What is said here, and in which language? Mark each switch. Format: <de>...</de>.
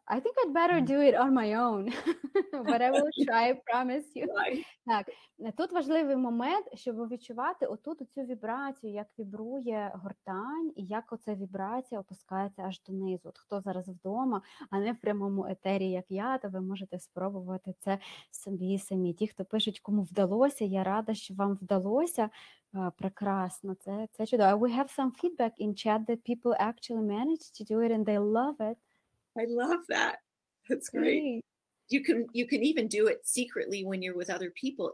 <en>I think I'd better do it on my own. But I will try, I promise you.</en> <uk>Так, тут важливий момент, щоб відчувати отут цю вібрацію, як вібрує гортань, і як оця вібрація опускається аж донизу. От хто зараз вдома, а не в прямому етері, як я, то ви можете спробувати це собі самі. Ті, хто пишуть, кому вдалося, я рада, що вам вдалося. Прекрасно, це чудово.</uk> <en>We have some feedback in chat that people actually managed to do it and they love it. I love that. That's great. You can even do it secretly when you're with other people.</en>